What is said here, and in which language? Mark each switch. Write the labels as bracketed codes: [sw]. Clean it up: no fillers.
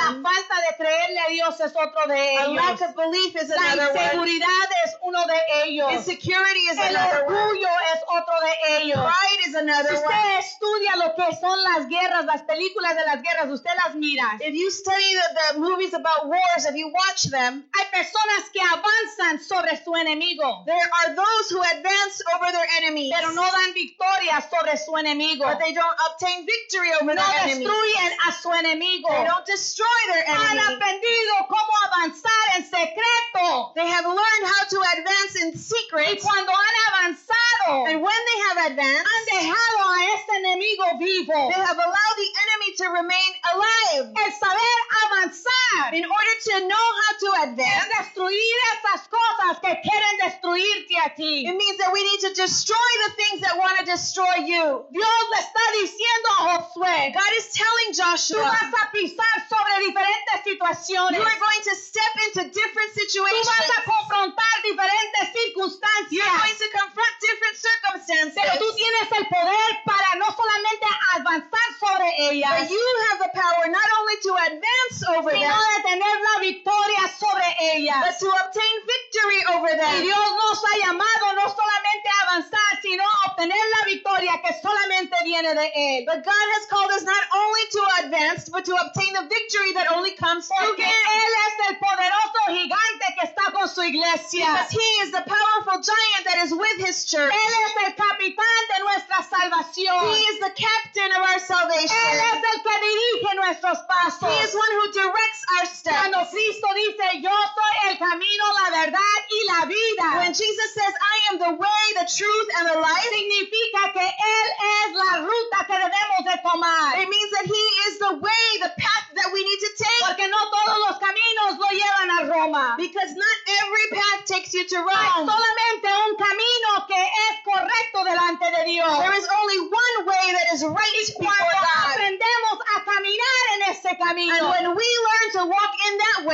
[es] La falta de creerle a Dios es otro de ellos. [en] A lack of belief is [es] la [en] another one. [es] La inseguridad es uno de ellos. [en] Insecurity is [es] el [en] another one. [es] El orgullo es otro de ellos. [en] Pride is another one. [es] Si usted [en] one. [es] Estudia lo que son las guerras, las películas de las guerras, usted las mira. [en] If you study the movies about wars, if you watch them. [es] Hay personas que avanzan sobre su enemigo. [en] There are those who advance over their enemies. [es] Pero no dan victoria sobre su enemigo. [en] But they don't obtain victory over their [es] destruyen [en] enemies. [es] A su enemigo. [en] They don't destroy their enemy. [es] Han aprendido cómo avanzar en secreto. [en] They have learned how to advance in secret. [es] Y cuando han avanzado, [en] and when they have advanced, [es] han dejado a ese enemigo vivo. [en] They have allowed the enemy to remain alive. [es] El saber avanzar, [en] in order to know how to advance, [es] es destruir esas cosas que quieren destruirte a ti. [en] It means that we need to destroy the things that want to destroy you. [es] Dios le está diciendo a Josué. [en] God is telling Joshua. [es] Tú vas a pisar sobre diferentes situaciones. [en] You are going to step into different situations. [es] Tú vas a confrontar diferentes circunstancias. [en] You are going to confront different circumstances. [es] Pero tú tienes el poder para no solamente avanzar sobre ellas. [en] But you have the power not only to advance over [es] sino [en] them. [es] Sino de tener la victoria sobre ellas. [en] But to obtain victory over them. [es] Y Dios nos ha llamado no solamente avanzar, sino obtener la victoria que solamente viene de él. [en] But God has called us not only to advance, but to obtain the victory that only comes from [es] porque Porque él es el poderoso gigante que está con su iglesia. [en] Because he is the powerful giant that is with his church. [es] Él es el capitán de nuestra salvación. [en] He is the captain of our salvation. [es] Él es el que dirige nuestros pasos. [en] He is one who directs our steps. [es] Cuando Cristo dice, yo soy el camino, la verdad y la vida. [en] When Jesus says, I am the way, the truth and the life, [es] significa que él es la ruta que debemos de tomar. [en] It means that he is the way, the path that we need to take. [es] Porque no todos los caminos lo llevan a Roma. [en] Because not every path takes you to Rome. [es] Hay solamente un camino que es correcto delante de Dios. [en] There is only one way that is right before God. [es] Y cuando aprendemos a caminar en ese camino, [en] and when we learn to walk in that way,